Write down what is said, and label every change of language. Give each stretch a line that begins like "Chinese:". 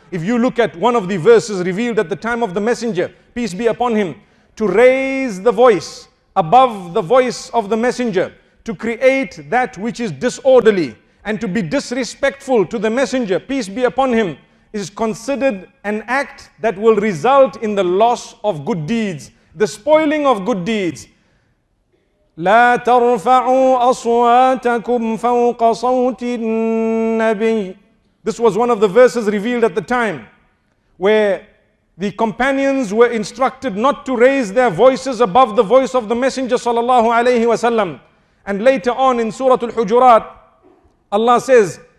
English: If you look at one of the verses revealed at the time of the Messenger, peace be upon him, to raise the voice above the voice of the Messenger, to create that which is disorderly, and to be disrespectful to the Messenger, peace be upon him, is considered an act that will result in the loss of good deeds, the spoiling of good deeds.
Arabic: لا ترفعوا أصواتكم فوق صوت النبي.
English: This was one of the verses revealed at the time where the companions were instructed not to raise their voices above the voice of the Messenger sallallahu alayhi wasallam. And later on in Surah Al-Hujurat, Allah says,